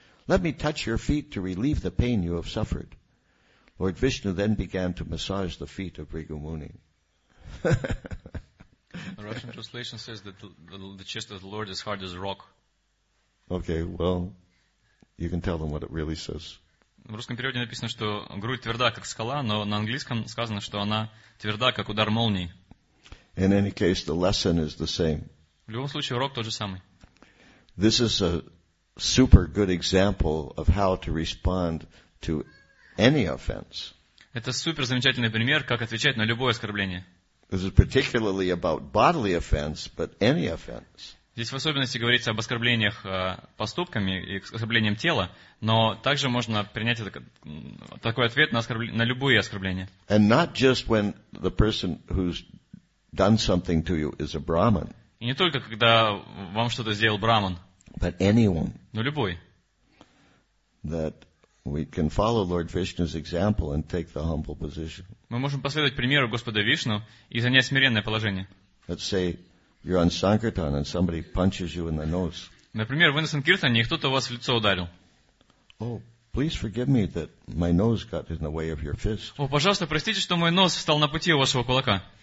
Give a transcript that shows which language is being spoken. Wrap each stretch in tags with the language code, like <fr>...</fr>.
<en>Let me touch your feet to relieve the pain you have suffered. Lord Vishnu then began to massage the feet of Bhrigu Muni. The Russian translation says that the chest of the Lord is hard as rock. Okay, well, You can tell them what it really says.</en> <ru>В русском переводе написано, что грудь тверда, как скала, но на английском сказано, что она тверда, как удар молнии.</ru> <en>In any case, the lesson is the same.</en> <ru>В любом случае, урок тот же самый.</ru> <en>This is a super good example of how to respond to any offense.</en> <ru>Это супер замечательный пример, как отвечать на любое оскорбление.</ru> <en>This is particularly about bodily offense, but any offense.</en> <ru>Здесь в особенности говорится об оскорблениях поступками и оскорблениям тела, но также можно принять такой ответ на любые оскорбления.</ru> <en>And not just when the person who's done something to you is a Brahman.</en> <ru>И не только когда вам что-то сделал Брахман.</ru> <en>But anyone.</en> <ru>Но любой.</ru> <en>That we can follow Lord Vishnu's example and take the humble position.</en> <ru>Мы можем последовать примеру Господа Вишну и занять смиренное положение.</ru> <en>Let's say you're on Sankirtan and somebody punches you in the nose.</en> <ru>Например, вы на Санкиртане, и кто-то вас в лицо ударил.</ru> <en>Oh, please forgive me that my nose got in the way of your fist.</en> <ru>О, пожалуйста, простите, что мой нос встал на пути у вашего кулака.</ru>